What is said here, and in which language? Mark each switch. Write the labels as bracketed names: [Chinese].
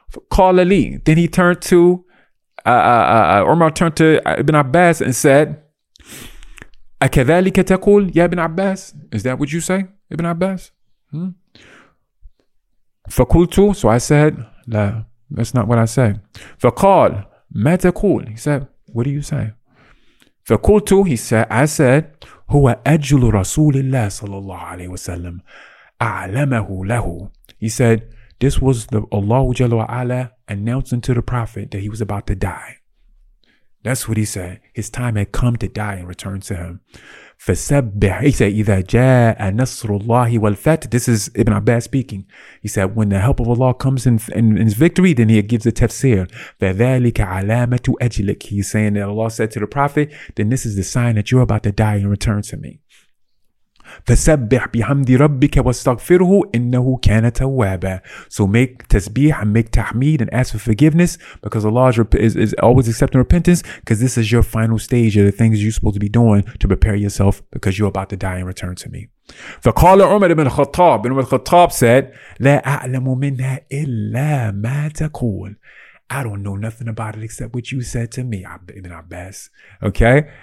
[Arabic] قَالَ لِي [English] Then he turned to, Umar turned to Ibn Abbas and said, [Arabic] أَكَذَلِكَ تَقُولْ يَا [English] Ibn Abbas Is that what you say, Ibn Abbas? [Arabic] فَقُلْتُ [English] So I said, [Arabic] لَا, [English] that's not what I said. [Arabic] فَقَالْ ما تقول? [English] He said, what do you say? [Arabic] فقلت, [English] he said, I said, [Arabic] هو أجل رسول الله صلى الله عليه وسلم أعلمه له. [English] He said, this was the Allah [Arabic] جل وعلا [English] announcing to the Prophet that he was about to die. That's what he said. His time had come to die and return to him. [Arabic] فسبح, [English] he said, [Arabic] إذا جاء نصر الله والفتح. [English] This is Ibn Abbas speaking. He said, when the help of Allah comes in his victory, then he gives a tafsir. [Arabic] فذلك علامة أجلك. [English] He's saying that Allah said to the Prophet, then this is the sign that you're about to die and return to me. [Arabic] فسبح بحمد ربك واستغفره إنه كان توابا. [English] So make tasbih and make tahmid and ask for forgiveness because Allah is always accepting repentance because this is your final stage of the things you're supposed to be doing to prepare yourself because you're about to die and return to me. [Arabic] فقال عمر بن الخطاب [English] بن الخطاب said [Arabic] لا أعلم منها إلا ما تقول [English] I don't know nothing about it except what you said to me, Ibn Abbas. Okay?